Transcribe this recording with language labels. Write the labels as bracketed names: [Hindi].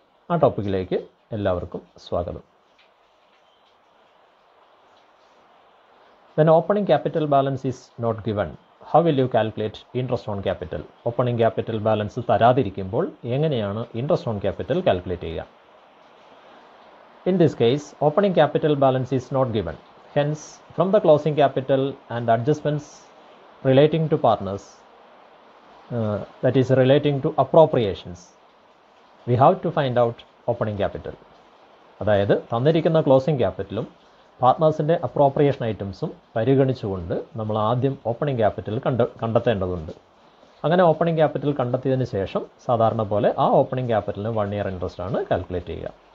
[Malayalam] ആ ടോപ്പിക്കിലേക്ക് എല്ലാവർക്കും സ്വാഗതം. [English] When opening capital balance is not given, how will you calculate interest on capital? [Malayalam] Opening capital balance തരാതിരിക്കുമ്പോൾ എങ്ങനെയാണ് interest on capital calculate ചെയ്യുക? [English] In this case, opening capital balance is not given. Hence, from the closing capital and adjustments relating to partners, that is relating to appropriations, we have to find out opening capital. [Malayalam] അതായത് തന്നിരിക്കുന്ന closing ക്യാപിറ്റലും പാർട്ട്നേഴ്സിൻ്റെ appropriation ഐറ്റംസും പരിഗണിച്ചുകൊണ്ട് നമ്മൾ ആദ്യം opening capital കണ്ടെത്തേണ്ടതുണ്ട്. അങ്ങനെ opening capital കണ്ടെത്തിയതിന് ശേഷം സാധാരണ പോലെ ആ ഓപ്പണിംഗ് ക്യാപിറ്റലിന് വൺ ഇയർ ഇൻട്രസ്റ്റ് ആണ് കാൽക്കുലേറ്റ് ചെയ്യുക.